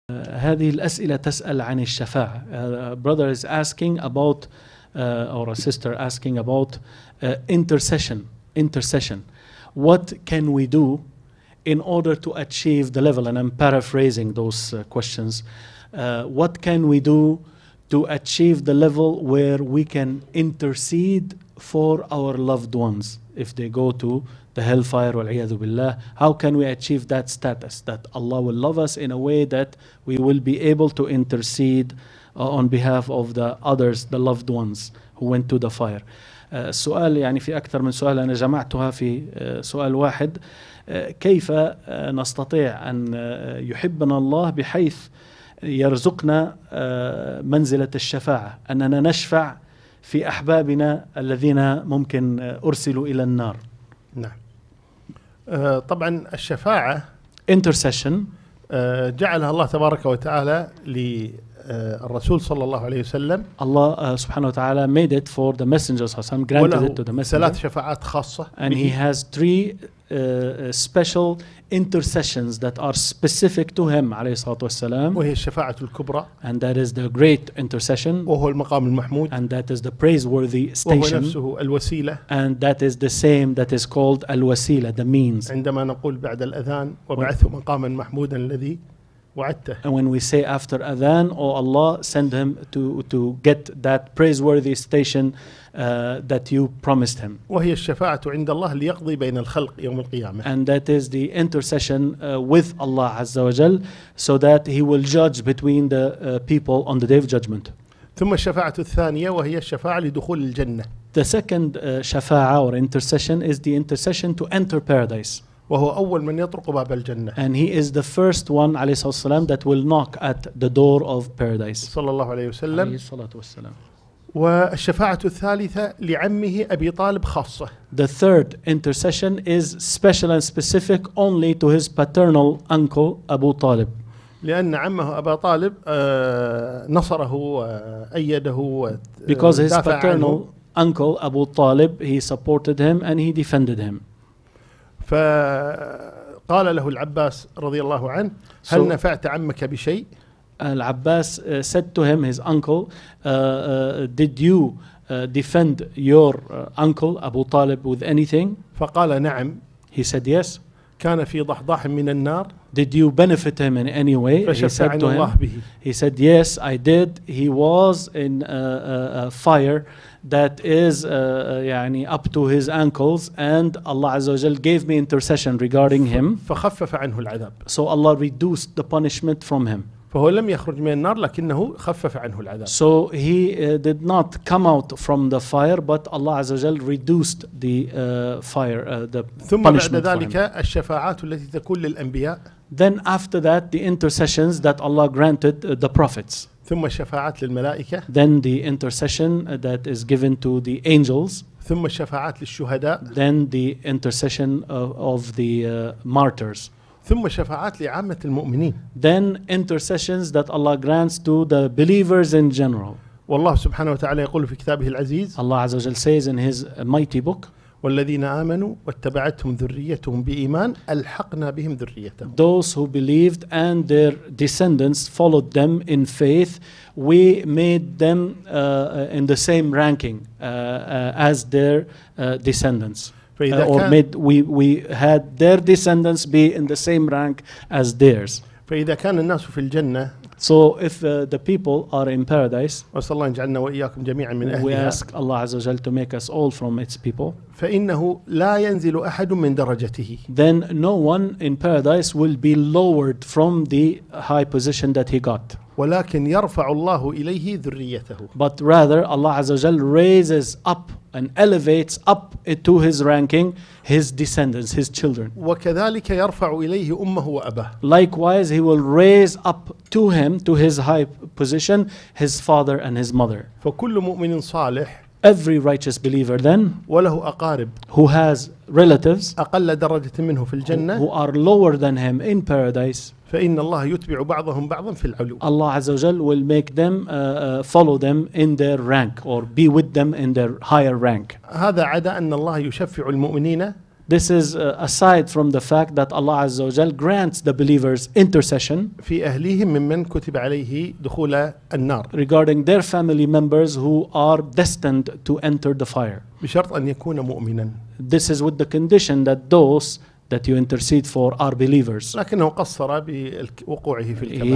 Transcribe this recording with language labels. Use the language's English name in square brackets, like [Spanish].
[Arabic] هذه الأسئلة تسأل عن الشفاعة. [English] Brother is asking about or a sister asking about intercession. Intercession. What can we do in order to achieve the level? And I'm paraphrasing those questions. What can we do to achieve the level where we can intercede for our loved ones if they go to the hellfire [Arabic] wal'iyadu billah? [English] How can we achieve that status that Allah will love us in a way that we will be able to intercede on behalf of the others, the loved ones who went to the fire? [Arabic] السؤال يعني في أكثر من سؤال أنا جمعتها في سؤال واحد. كيف نستطيع أن يحبنا الله بحيث يرزقنا منزلة الشفاعة، أننا نشفع في أحبابنا الذين ممكن أرسلوا إلى النار؟ نعم. طبعا الشفاعة [English] intercession [Arabic] جعلها الله تبارك وتعالى للرسول صلى الله عليه وسلم. الله سبحانه وتعالى [English] made it for the messenger [Arabic] صلى الله عليه وسلم, [English] granted it to the messenger. [Arabic] ثلاث شفاعات خاصة. [English] And he has three special intercessions that are specific to him [Arabic] عليه الصلاة والسلام. وهي الشفاعة الكبرى. [English] And that is the great intercession. [Arabic] وهو المقام المحمود. [English] And that is the praiseworthy station. [Arabic] وهو نفسه الوسيلة. [English] And that is the same that is called الوسيلة, the means. [Arabic] عندما نقول بعد الأذان وبعثه مقاما محمودا الذي وعدته. [English] And when we say after Adhan, oh Allah, send him to get that praiseworthy station that you promised him. [Arabic] وهي الشفاعة عند الله ليقضي بين الخلق يوم القيامة. [English] And that is the intercession with Allah [Arabic] عز وجل, [English] so that he will judge between the people on the day of judgment. [Arabic] ثم الشفاعة الثانية وهي الشفاعة لدخول الجنة. [English] The second شفاعة or intercession is the intercession to enter paradise. [Arabic] وهو أول من يطرق باب الجنة. [English] And he is the first one [Arabic] عليه الصلاة والسلام [English] that will knock at the door of paradise. [Arabic] صلى الله عليه وسلم. عليه الصلاة والسلام. والشفاعة الثالثة لعمه أبي طالب خاصة. [English] The third intercession is special and specific only to his paternal uncle أبو طالب. [Arabic] لأن عمه أبا طالب نصره وأيده. [English] Because his paternal uncle أبو طالب, he supported him and he defended him. [Arabic] فقال له العباس رضي الله عنه, هل نفعت عمك بشيء؟ [English] العباس said to him, his uncle, did you defend your uncle أبو طالب with anything? [Arabic] فقال نعم. [English] He said yes. [Arabic] كان في ضحضاح من النار. [English] Did you benefit him in any way? [Arabic] فشفع عن الله به. [English] He said yes, I did. He was in a fire that is يعني up to his ankles, and Allah [Arabic] عز وجل [English] gave me intercession regarding him. [Arabic] فخفف عنه العذاب. [English] So Allah reduced the punishment from him. [Arabic] فهو لم يخرج من النار لكنه خفف عنه العذاب. [English] So he did not come out from the fire, but Allah [Arabic] عز وجل [English] reduced the fire, the [Arabic] ثم [English] punishment [Arabic] ثم بعد ذلك [English] for him. [Arabic] الشفاعات التي تكون للأنبياء. [English] Then after that, the intercessions that Allah granted the prophets. [Arabic] ثم الشفاعات للملائكة. [English] Then the intercession that is given to the angels. [Arabic] ثم الشفاعات للشهداء. [English] Then the intercession of the martyrs. [Arabic] ثم الشفاعات لعامة المؤمنين. [English] Then intercessions that Allah grants to the believers in general. [Arabic] والله سبحانه وتعالى يقول في كتابه العزيز. [English] Allah [Arabic] عز وجل [English] says in his mighty book. [Arabic] والذين آمنوا واتبعتهم ذريتهم بإيمان ألحقنا بهم ذريتهم. [English] Those who believed and their descendants followed them in faith, we made them in the same ranking as their descendants. Or made we had their descendants be in the same rank as theirs. [Arabic] فإذا كان الناس في الجنة. [English] So if the people are in paradise. [Arabic] وصلى الله يجعلنا وإياكم جميعا من أهلها. [English] We ask Allah [Arabic] عز وجل [English] to make us all from its people. [Arabic] فإنه لا ينزل أحد من درجته. [English] Then no one in paradise will be lowered from the high position that he got. [Arabic] ولكن يرفع الله إليه ذريته. [English] But rather Allah [Arabic] عز وجل [English] raises up and elevates up to his ranking his descendants, his children. [Arabic] وكذلك يرفع إليه أمه وأباه. [English] Likewise he will raise up to him, to his high position, his father and his mother. [Arabic] فكل مؤمن صالح. [English] Every righteous believer then, [Arabic] وله أقارب, [English] who has relatives, [Arabic] أقل درجة منه في الجنة, [English] who are lower than him in paradise, [Arabic] فإن الله يتبع بعضهم بعضا في العلو. [English] Allah عز وجل will make them follow them in their rank or be with them in their higher rank. [Arabic] هذا عدا أن الله يشفع المؤمنين. [English] This is aside from the fact that Allah [Arabic] Azza wa Jalla [English] grants the believers intercession [Arabic] في أهليهم ممن كتب عليه دخول النار [English] regarding their family members who are destined to enter the fire [Arabic] بشرط أن يكون مؤمنا. [English] This is with the condition that those that you intercede for are believers. [Arabic] لكنه قصر بوقوعه في الكبائر.